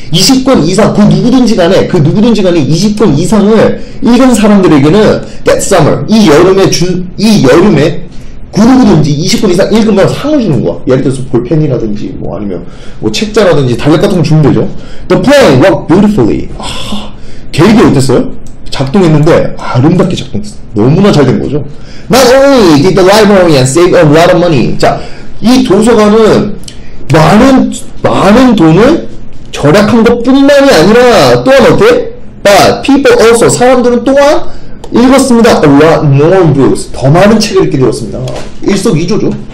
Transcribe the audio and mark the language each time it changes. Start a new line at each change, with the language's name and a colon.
Korean: 20권 이상, 그 누구든지 간에, 20권 이상을 읽은 사람들에게는 that summer. 이 여름에 누구든지 20권 이상 읽으면 상을 주는 거야. 예를 들어서 볼펜이라든지 뭐 아니면 뭐 책자라든지 달력 같은 거 주면 되죠.
English: The plan worked beautifully.
Korean: 아, 계획이 어땠어요? 작동했는데 아름답게 작동했어요. 너무나 잘 된 거죠.
English: Not only did the librarian save a lot of money.
Korean: 자, 이 도서관은 많은 돈을 절약한 것 뿐만이 아니라 또한 어때?
English: But people also,
Korean: 사람들은 또한 읽었습니다.
English: A lot more books.
Korean: 더 많은 책을 읽게 되었습니다. 일석이조죠.